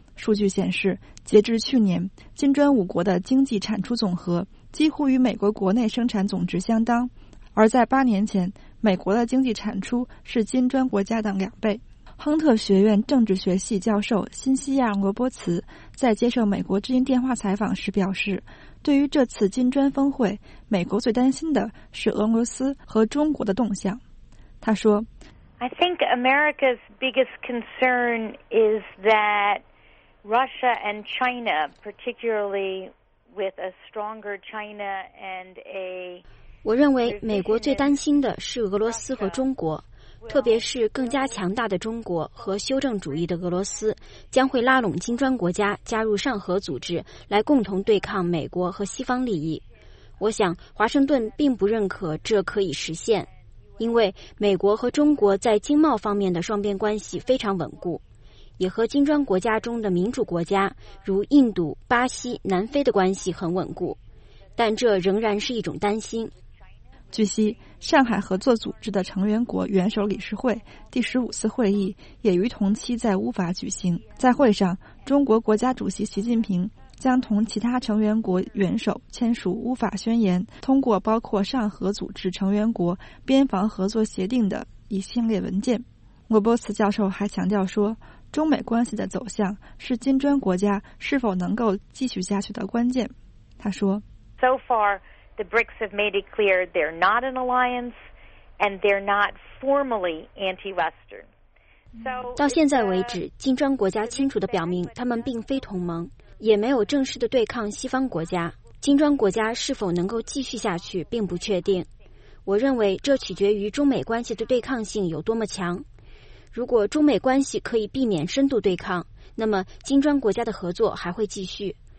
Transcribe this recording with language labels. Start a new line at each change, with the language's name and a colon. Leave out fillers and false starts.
Chinese: 数据显示，截至去年，金砖五国的经济产出总和几乎与美国国内生产总值相当，而在8年前，美国的经济产出是金砖国家的2倍。亨特学院政治学系教授辛西亚·罗伯茨在接受美国之音电话采访时表示，对于这次金砖峰会，美国最担心的是俄罗斯和中国的动向。他说，
English: I think America's biggest concern is that Russia and China, particularly with a stronger China and a...
Chinese: 我认为美国最担心的是俄罗斯和中国，特别是更加强大的中国和修正主义的俄罗斯将会拉拢金砖国家加入上合组织，来共同对抗美国和西方利益。我想华盛顿并不认可这可以实现，因为美国和中国在经贸方面的双边关系非常稳固，也和金砖国家中的民主国家如印度、巴西、南非的关系很稳固，但这仍然是一种担心。据悉，上海合作组织的成员国元首理事会第15次会议也于同期在乌法举行。在会上，中国国家主席习近平将同其他成员国元首签署乌法宣言，通过包括上合组织成员国边防合作协定的一系列文件。罗伯茨教授还强调说，中美关系的走向是金砖国家是否能够继续下去的关键。他说，
English: So far,The BRICS have made it clear they're not an alliance and they're not formally anti-Western.
Chinese: 到现在为止，金砖国家清楚地表明他们并非同盟，也没有正式的对抗西方国家。金砖国家是否能够继续下去并不确定。我认为这取决于中美关系的对抗性有多么强。如果中美关系可以避免深度对抗，那么金砖国家的合作还会继续。